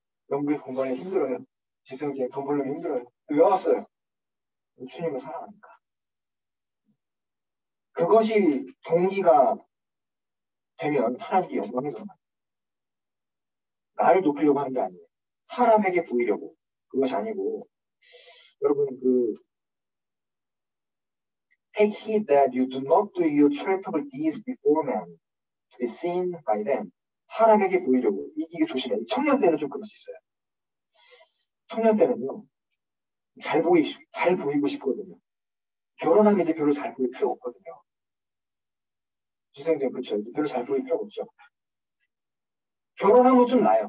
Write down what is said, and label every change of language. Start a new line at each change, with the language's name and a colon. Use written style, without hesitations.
Korean: 영국에서 공부하기 힘들어요. 지성 이제 돈 벌려면 힘들어요. 왜 왔어요? 주님을 사랑하니까. 그것이 동기가 되면 하나님께 영광이 돌아가요. 나를 높이려고 하는 게 아니에요. 사람에게 보이려고. 그것이 아니고.
English: 여러분, Take heed that you do not do your charitable deeds before men to be seen by them.
Korean: 사람에게 보이려고. 이게 조심해. 청년 때는 좀 그럴 수 있어요. 청년 때는요, 잘 보이고 싶거든요. 결혼하면 이제 별로 잘 보일 필요 없거든요. 지성님, 그쵸? 이제 별로 잘 보일 필요 없죠. 결혼하면 좀 나아요.